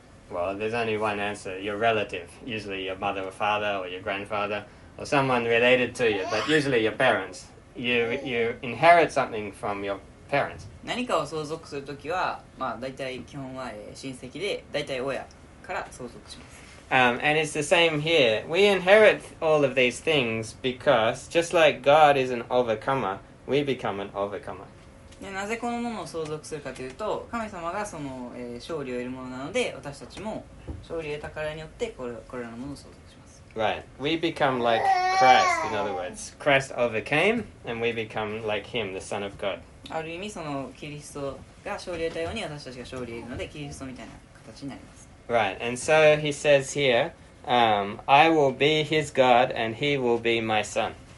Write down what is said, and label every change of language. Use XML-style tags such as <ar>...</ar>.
<en>Well, there's only one answer. Your relative. Usually your mother or father or your grandfather or someone related to you, but usually your parents. You inherit something from your parents.</en> <ja>何かを相続するときは、まあ、大体基本は親戚で、大体親から相続します。</ja> <en>And it's the same here. We inherit all of these things because, just like God is an overcomer, we become an overcomer.</en> <ja>でなぜこのものを相続するかというと、神様がその、勝利を得るものなので、私たちも勝利を得たからによってこれらのものを相続します。</ja> <en>Right, we become like Christ. In other words, Christ overcame and we become like him, the Son of God.</en> <ja>ある意味そのキリストが勝利を得たように私たちが勝利を得るので、キリストみたいな形になります。</ja> <en>Right, and so he says hereI will be his God and he will be my son.</en>